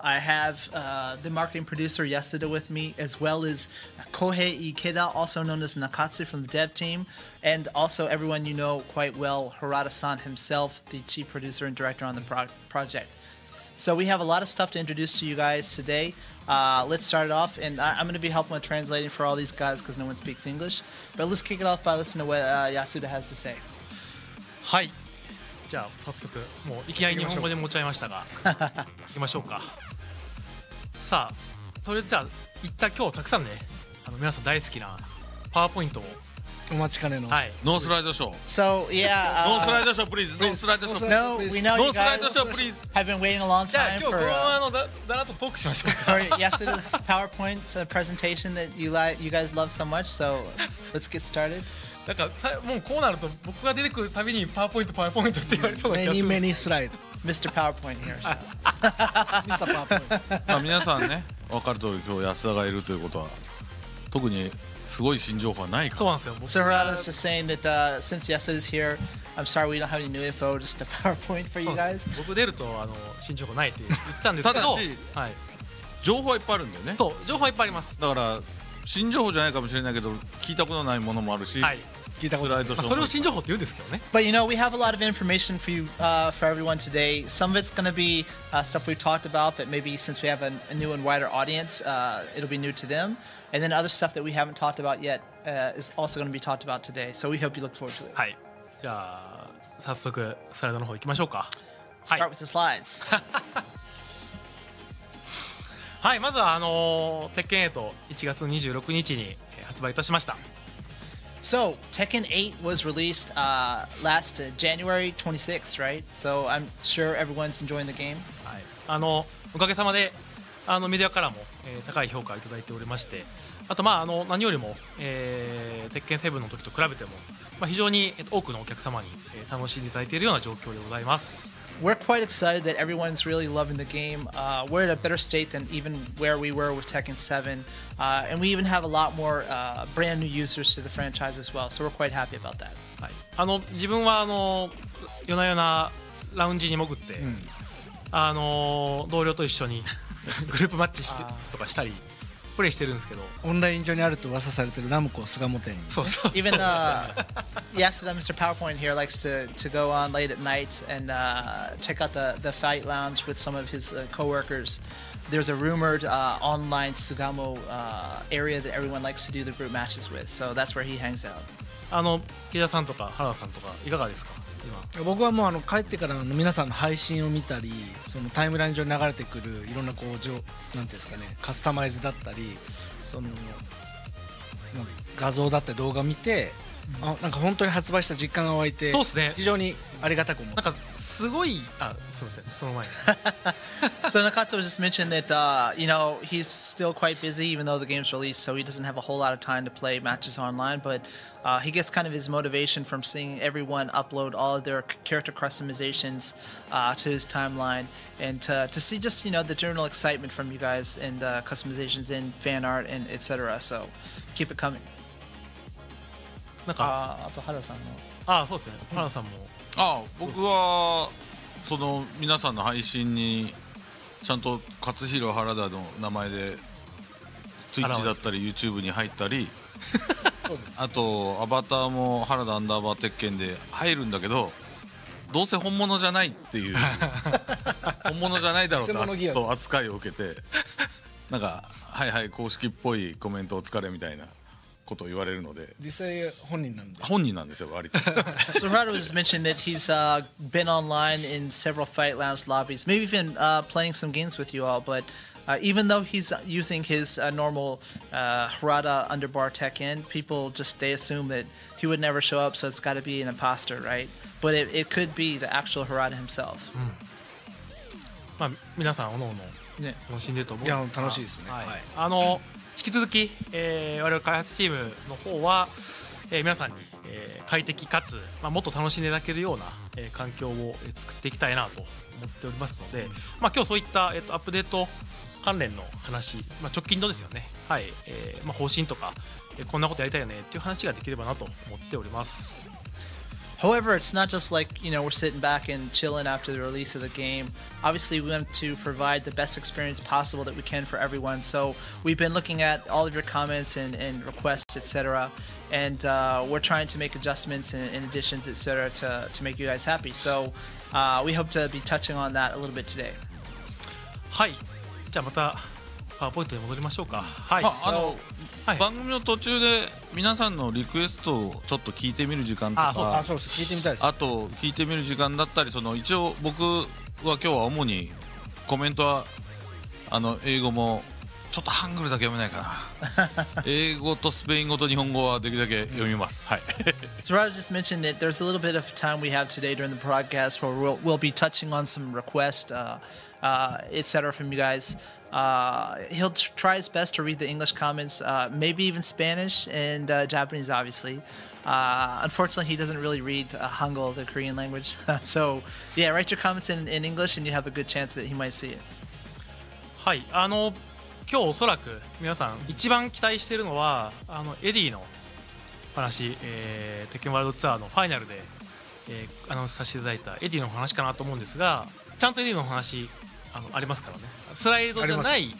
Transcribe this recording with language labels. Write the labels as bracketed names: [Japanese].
[English] I have the marketing producer, Yasuda, with me, as well as Kohei Ikeda, also known as Nakatsu from the dev team, and also everyone you know quite well, Harada-san himself, the chief producer and director on the project. So we have a lot of stuff to introduce to you guys today. Let's start it off, and I'm going to be helping with translating for all these guys because no one speaks English. But let's kick it off by listening to what Yasuda has to say. Hi. [Japanese] じゃあ早速もういきなり日本語で持っちゃいましたが行きましょうかさあとりあえずじゃあ一旦今日たくさんねあの皆さん大好きなパワーポイントをお待ちかねの、はい、 [English] ノースライドショー So yeah ノースライドショー please ノースライドショー No we know you guys have been waiting a long time [Japanese] じゃあ今日このままのだなとトークしましょうか [English] For Yasuda's PowerPoint presentation that you guys love so much So let's get started [Japanese] なんかさもうこうなると僕が出てくるたびにパワーポイントパワーポイントって言われそうな気がする [English] Many many slide Mr. PowerPoint here Mr. PowerPoint [Japanese] 皆さんね分かる通り今日安田がいるということは特にすごい新情報はないからそうなんですよ僕 [English] So Harada is just saying that since Yasuda is here I'm sorry we don't have any new info just a PowerPoint for you guys [Japanese] 僕出るとあの新情報ないって言ってたんですけどただし、はい、情報はいっぱいあるんだよねそう情報はいっぱいありますだから新情報じゃないかもしれないけど聞いたことないものもあるし、はい聞いたことないそれを新情報って言うんですけどね [English] But you know, we have a lot of information for you, for everyone today Some of it's gonna be stuff we've talked about But maybe since we have a new and wider audience It'll be new to them And then other stuff that we haven't talked about yet Is also gonna be talked about today So we hope you look forward to it [Japanese] はい、じゃあ早速スライドの方行きましょうか [English] Start、 [Japanese] はい、 [English] with the slides [Japanese] はい、まずはあの鉄拳8 1月26日に発売いたしました [English] So, Tekken 8 was released last January 26th, right? So I'm sure everyone's enjoying the game. [Japanese] はい。あの、おかげさまで、あのメディアからも、高い評価をいただいておりまして、あとまあ、あの何よりも、Tekken 7の時と比べても、まあ、非常に多くのお客様に、楽しんでいただいているような状況でございます。 [English] We're quite excited that everyone's really loving the game. We're at a better state than even where we were with Tekken 7. And we even have a lot more brand new users to the franchise as well. So we're quite happy about that. [Japanese] はい。あの、自分はあの、夜な夜なラウンジに潜って、うん、あの、同僚と一緒にグループマッチしてとかしたり。プレイしてるんですけど、オンライン上にあると噂されてるナムコ菅本店に、そうそう。 [English] Even Yasuda, Mr. PowerPoint here likes to go on late at night and check out the fight lounge with some of his coworkers. There's a rumored online Sugamo area that everyone likes to do the group matches with. So that's where he hangs out. [Japanese] あの池田さんとか原田さんとかいかがですか？僕はもうあの帰ってからの皆さんの配信を見たりそのタイムライン上に流れてくるいろんなこう何ていうんですかねカスタマイズだったりその画像だったり動画を見てあなんか本当に発売した実感が湧いてそうですね非常にありがたく思ってなんかすごいあすいませんその前に [English] So Nakatsu just mentioned that you know he's still quite busy even though the game's released so he doesn't have a whole lot of time to play matches online butHe gets kind of his motivation from seeing everyone upload all of their character customizations to his timeline and to see just, you know, the general excitement from you guys and the customizations and fan art and etc. So keep it coming. [Japanese] なんか、あと原さんの。ああ、そうですね。原さんも。ああ、僕はその皆さんの配信にちゃんと Katsuhiro Harada の名前で Twitch だったり YouTube に入ったり。あとアバターも原田アンダーバー鉄拳で入るんだけどどうせ本物じゃないっていう本物じゃないだろうと扱いを受けてなんかはいはい公式っぽいコメントお疲れみたいなことを言われるので実際本人なんで本人なんですよ割と [English] So Harada was mentioning that he's been online in several fight lounge lobbies maybe even playing some games with you all butEven though he's using his normal Harada underbar Tekken, people just they assume that he would never show up, so it's got to be an imposter, right? But it could be the actual Harada himself. [Japanese] まあ皆さんおのおの楽しんでると思う。いや楽しいですね。はい。あの引き続き我々開発チームの方は皆さんに快適かつまあもっと楽しんでいただけるような環境を作っていきたいなと思っておりますので、まあ今日そういったアップデート関連の話、まあ、直近のですよね、はい、まあ、方針とか、こんなことやりたいよねっていう話ができればなと思っております。 [English] However, it's not just like, you know, we're sitting back and chilling after the release of the game. Obviously, we want to provide the best experience possible that we can for everyone. So we've been looking at all of your comments and requests, etc. And we're trying to make adjustments and additions, etc. to make you guys happy. So we hope to be touching on that a little bit today. [Japanese] はい。じゃあまたパワーポイントに戻りましょうか。はい。まあ、はい、番組の途中で皆さんのリクエストをちょっと聞いてみる時間とか、そうです聞いてみたいです。あと聞いてみる時間だったり、その一応僕は今日は主にコメントはあの英語もちょっとハングルだけ読めないかな。英語とスペイン語と日本語はできるだけ読みます。はい。 [English] So I just mentioned that there's a little bit of time we have today during the broadcast where we'll be touching on some requests, etc. from you guys. He'll try his best to read the English comments, maybe even Spanish and Japanese, obviously. Unfortunately, he doesn't really read Hangul, the Korean language. So, yeah, write your comments in English and you have a good chance that he might see it. [Japanese] はい、あの、今日おそらく皆さん一番期待しているのは、あの、エディの話、鉄拳ワールドツアーのファイナルで、アナウンスさせていただいたエディの話かなと思うんですが、ちゃんとエディの話、あの、ありますからね。スライドじゃない、